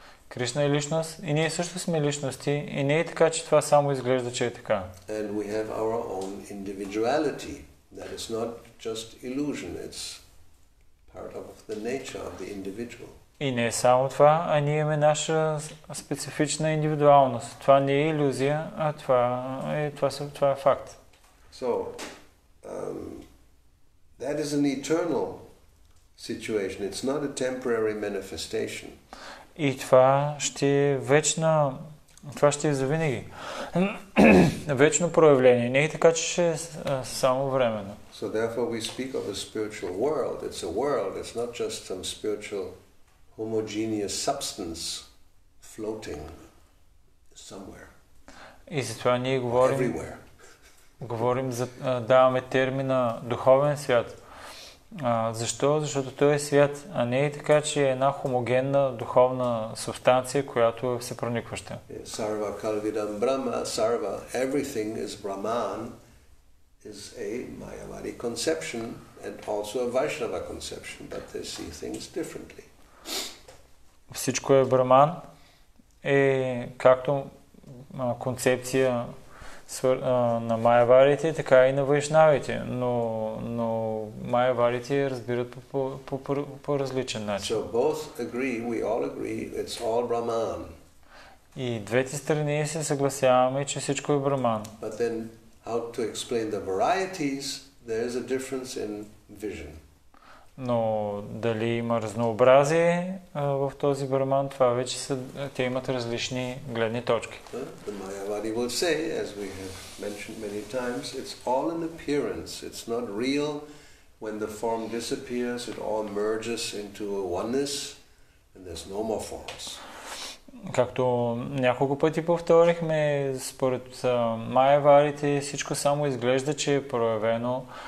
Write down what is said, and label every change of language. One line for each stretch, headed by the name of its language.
Bulgarian: Кришна е личност и ние също сме личности и не е така, че това само изглежда, че е така.
English: And we have our own individuality. That is not just illusion. It's part of the nature of the individual.
Bulgarian: И не е само това, а ние имаме наша специфична индивидуалност. Това не е иллюзия, а това е факт.
English: So, That is an eternal situation. It's not a temporary manifestation.
Bulgarian: И това ще е вечна, това ще е завинаги. Вечно проявление. Не е така, че ще е само временно.
English: So therefore we speak of a spiritual world. It's a world. It's not just some spiritual homogeneous substance floating somewhere.
Bulgarian: И затова ние говорим, говорим за, даваме термина духовен свят. Защо? Защото той е свят, а не е така, че е една хомогенна духовна субстанция, която е всепроникваща.
Sanskrit: Sarva kalvidam brahma,
English: sarva, everything is brahman, is a mayavadi conception and also a vaishnava conception, but they see things differently.
Bulgarian: Всичко е брахман, е както концепция на майяварите, така и на вайшнавите, но, но майяварите разбират по различен начин.
English: So both agree, we all agree, it's all Brahman.
Bulgarian: И двете страни се съгласяваме, че всичко е Брахман.
English: But then how to explain the varieties, there is a difference in vision.
Bulgarian: Но дали има разнообразие в този Брахман, това вече са, те имат различни гледни точки.
English: The Mayavadi will say, as we have mentioned many times, it's all an appearance, it's not real. When the form disappears, it all merges into a oneness and there's no more forms.
Bulgarian: Както няколко пъти повторихме, според майяварите всичко само изглежда, че е проявено.